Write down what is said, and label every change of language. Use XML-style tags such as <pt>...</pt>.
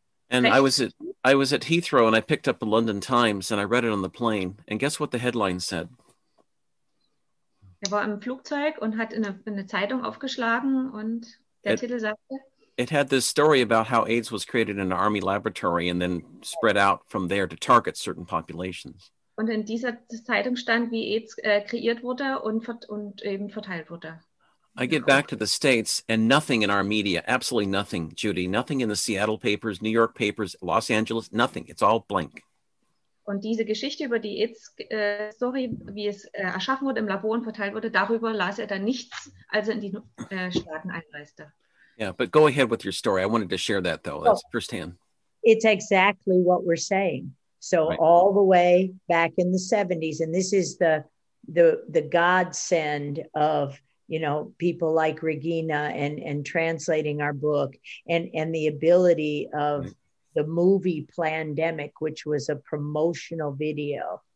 <en>And I was at Heathrow and I picked up the London Times and I read it on the plane. And guess what the headline said?</en> <de>Er war im Flugzeug und hat in eine Zeitung aufgeschlagen und der Titel sagte.</de> <en>It had this story about how AIDS was created in an army laboratory and then spread out from there to target certain populations.</en> <de>Und in dieser Zeitung stand, wie AIDS kreiert wurde und eben verteilt wurde.</de> <en>I get back to the States and nothing in our media, absolutely nothing, Judy, nothing in the Seattle papers, New York papers, Los Angeles, nothing. It's all blank.</en> <de>Und diese Geschichte über die AIDS-Story, wie es erschaffen wurde, im Labor und verteilt wurde, darüber las er dann nichts, als er in die Staaten einreiste.</de> <en>Yeah, but go ahead with your story. I wanted to share that, though. That's firsthand. It's exactly what we're saying. So right. All the way back in the 70s, and this is the godsend of, you know, people like Regina and translating our book and the ability of the movie Plandemic, which was a promotional video.</en>